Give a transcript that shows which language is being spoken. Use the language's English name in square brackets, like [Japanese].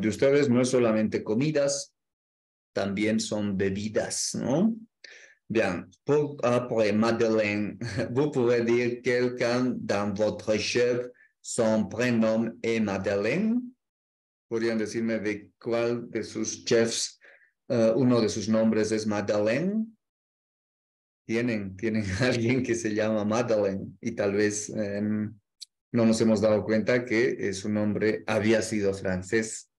[Spanish] De ustedes no es solamente comidas, también son bebidas, ¿no? [French] Bien, pour après Madeleine, vous pouvez dire quelqu'un dans votre chef, son prénom est Madeleine. [Spanish] ¿Podrían decirme de cuál de sus chefs, uno de sus nombres es Madeleine? ¿Tienen alguien que se llama Madeleine? Y tal vez no nos hemos dado cuenta que su nombre había sido francés.